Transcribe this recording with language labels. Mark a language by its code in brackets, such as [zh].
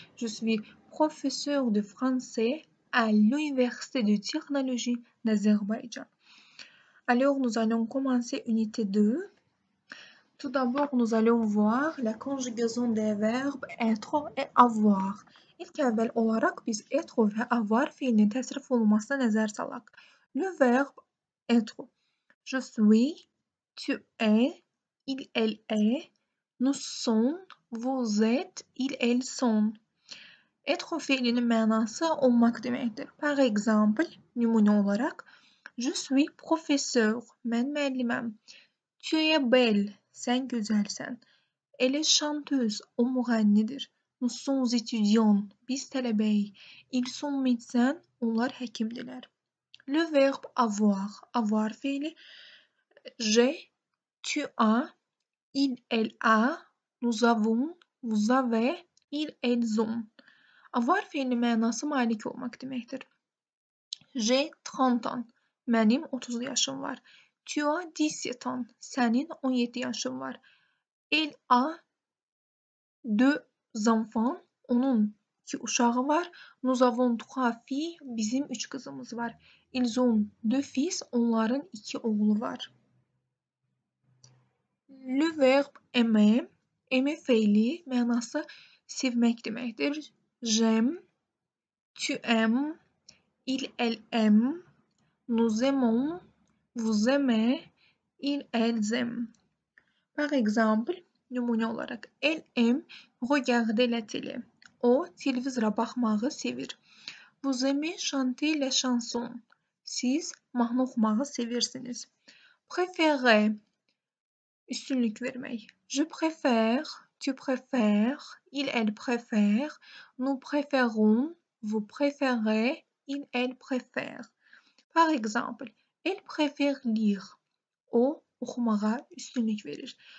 [fr] Je suis professeure de français à l'Université de technologie d'Azerbaïdjan. Alors, nous allons commencer unité 2. Tout d'abord, nous allons voir la conjugaison des verbes être et avoir. [az] İlk əvvəl olaraq biz être və avoir fiilinin təsrif olunmasına nəzər salaq. [fr] Le verbe être. Je suis, tu es, il, elle est, nous sommes, vous êtes, ils, elles sont. [az] Être fiilinin mənası olmaq deməkdir. [fr] Par exemple, [az] nümunə olaraq, [fr] je suis professeur, [az] mən müəlliməm. [fr] Tu es belle, [az] sən gözəlsən. [fr] Elle est chanteuse, [az] o müğənnidir. [fr] Nous sommes étudiants, [az] biz tələbəyik. [fr] Ils sont médecins, [az] onlar həkimdirlər. [fr] Le verbe avoir, avoir fiili. J'ai, tu as, il, elle a, nous avons, vous avez, ils, elles ont. [az] Avoir fiilinin mənası malik olmaq deməkdir. [fr] J'ai 30 ans, [az] mənim 30 yaşım var. [fr] Tu as 17 ans, [az] sənin 17 yaşın var. [fr] Elle a 2 Zanfan, [az] onun iki uşağı var. [fr] Nous avons trois filles, [az] bizim üç kızımız var. [fr] Ils ont deux fils, [az] onların iki oğlu var. [fr] Le verbe aimer, aimer [az] fiili, mənası sevmək deməkdir. [fr] J'aime, tu aimes, il, elle aime, nous aimons, vous aimez, ils, elles aiment. Par exemple, [az] nümunə olaraq, [fr] elle aime regarder la télé. [az] O, televizora baxmağı sevir. [fr] Vous aimez chanter la chanson. [az] Siz mahnı oxumağı sevirsiniz. [fr] Préfère, [az] üstünlük vermək. [fr] Je préfère, tu préfères, il, elle préfère, nous préférons, vous préférez, il, elle préfère. Par exemple, elle préfère lire. [az] O, oxumağa üstünlük verir.